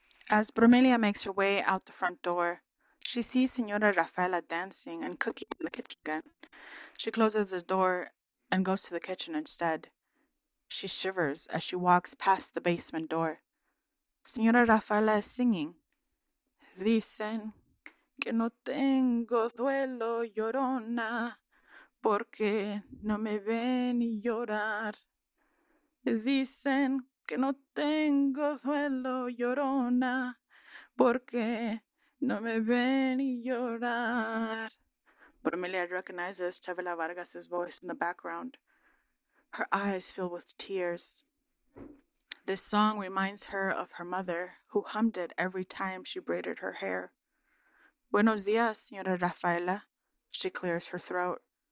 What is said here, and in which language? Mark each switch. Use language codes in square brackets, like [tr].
[en] As Bromelia makes her way out the front door, she sees Senora Rafaela dancing and cooking in the kitchen again. She closes the door and goes to the kitchen instead. She shivers as she walks past the basement door. Senora Rafaela is singing. [es] Dicen que no tengo duelo, llorona, porque no me ven y llorar. Dicen que no tengo duelo, llorona, porque no me ven y llorar. [en] Bromelia recognizes Chavela Vargas's voice in the background. Her eyes fill with tears. This song reminds her of her mother, who hummed it every time she braided her hair. [es] Buenos dias, [en] Señora Rafaela. She clears her throat.